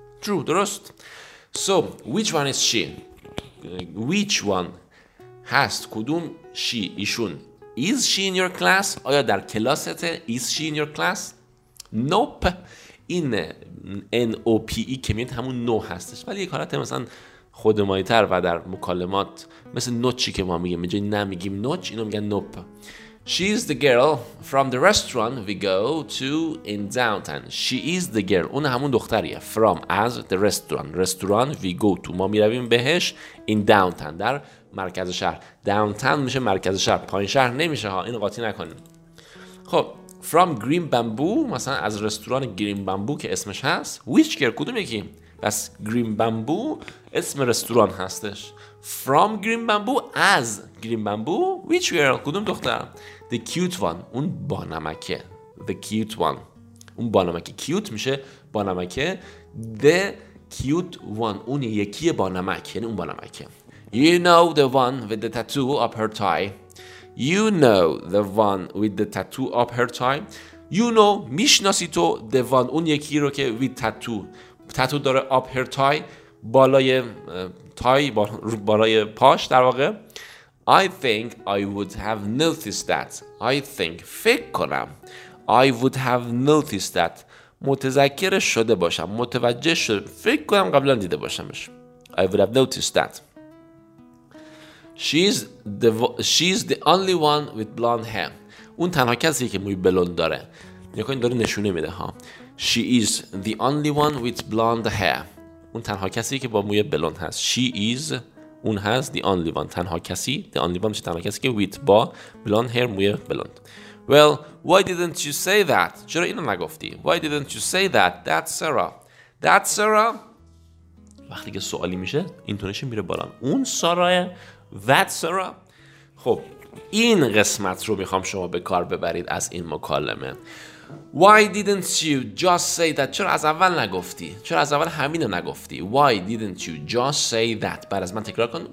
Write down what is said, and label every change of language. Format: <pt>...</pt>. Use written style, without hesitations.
<en>True،</en> <fa>درست.</fa> <en>So which one is she، which one</en> <fa>هست، کدوم</fa> <en>she،</en> <fa>ایشون،</fa> <en>is she in your class،</en> <fa>آیا در کلاسته،</fa> <en>is she in your class، nope.</en> <fa>این N-O-P-E که میاد همون نو هستش، ولی یک حالت مثلا خودمانی تر و در مکالمات مثل نوچی که ما میگیم، اینجا نمیگیم نوچ، اینو میگن نوپ.</fa> <en>She is the girl from the restaurant we go to in downtown. She is the girl،</en> <fa>اون همون دختریه،</fa> <en>from، از، the restaurant، restaurant we go to،</en> <fa>ما میرویم بهش،</fa> <en>in downtown،</en> <fa>در مرکز شهر. downtown میشه مرکز شهر، پایین شهر نمیشه ها، اینو قاطی نکنیم. خب from green bamboo، مثلا از رستوران green bamboo که اسمش هست، which girl، کدوم یکی؟ بس green bamboo اسم رستوران هستش.</fa> <en>from green bamboo، از green bamboo، which girl،</en> <fa>کدوم دختر؟</fa> <en>the cute one،</en> <fa>اون بانمکه،</fa> <en>the cute one، اون بانمکه، cute</en> <fa>میشه بانمکه،</fa> <en>the cute one،</en> <fa>اون یکی بانمکه، یعنی اون بانمکه.</fa> <en>you know the one with the tattoo up her tie. You know the one with the tattoo up her tie. You know،</en> <fa>میشناسی تو،</fa> <en>the one،</en> <fa>اون یکی رو که with tattoo، tattoo داره</fa> <en>up her tie،</en> <fa>بالای tie، بالای پاش در واقع.</fa> <en>I think I would have noticed that. I think،</en> <fa>فکر کنم.</fa> <en>I would have noticed that،</en> <fa>متذکر شده باشم، متوجه شده، فکر کنم قبلا دیده باشمش.</fa> <en>I would have noticed that. She's the only one with blonde hair.</en> <fa>اون تنها کسیه که موی بلوند داره. نگاه این داره نشونه میده ها.</fa> <en>She is the only one with blonde hair.</en> <fa>اون تنها کسیه که با موی بلوند هست.</fa> <en>She is،</en> <fa>اون هست،</fa> <en>the only one،</en> <fa>تنها کسی، the only one میشه تنها کسی که with، با</fa> <en>blonde hair،</en> <fa>موی بلوند.</fa> <en>Well, why didn't you say that؟</en> <fa>چرا اینو نگفتی؟</fa> <en>Why didn't you say that؟ That's Sarah. That's Sarah.</en> <fa>وقتی که سوالی میشه اینطوریش میره بالا. اون ساراه،</fa> <en>that Sarah.</en> <fa>خب این قسمت رو میخوام شما به کار ببرید از این مکالمه.</fa> <en>Why didn't you just say that؟</en> <fa>چرا از اول نگفتی؟ چرا از اول همینو نگفتی؟</fa> <en>Why didn't you just say that؟</en> <fa>بعد از من تکرار کن.</fa>